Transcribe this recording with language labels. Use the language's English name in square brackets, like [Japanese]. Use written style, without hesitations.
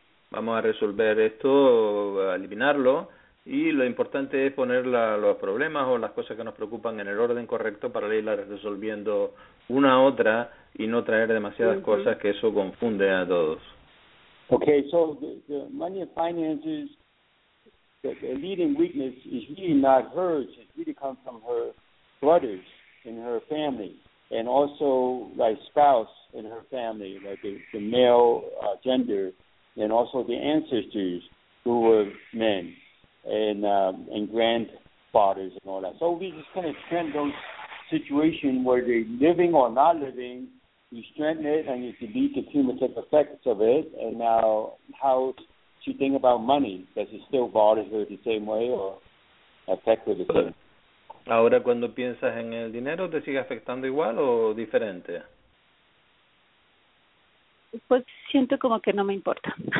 [Spanish] Vamos a resolver esto, eliminarlo, y lo importante es poner los problemas o las cosas que nos preocupan en el orden correcto para irlas resolviendo una a otra y no traer demasiadas cosas que eso confunde a todos. [English] Okay, so the money and finances, the leading weakness is really not hers. It really comes from her brothers in her family and also like spouse in her family, like the male gender, and also the ancestors who were men and grandfathers and all that. So we just kind of strengthen those situations where they're living or not living. You strengthen it and you delete the cumulative effects of it. And now how she think about money? Does it still bother her the same way or affect her the same? [Spanish] Ahora cuando piensas en el dinero, ¿te sigue afectando igual o diferente? Pues siento como que no me importa.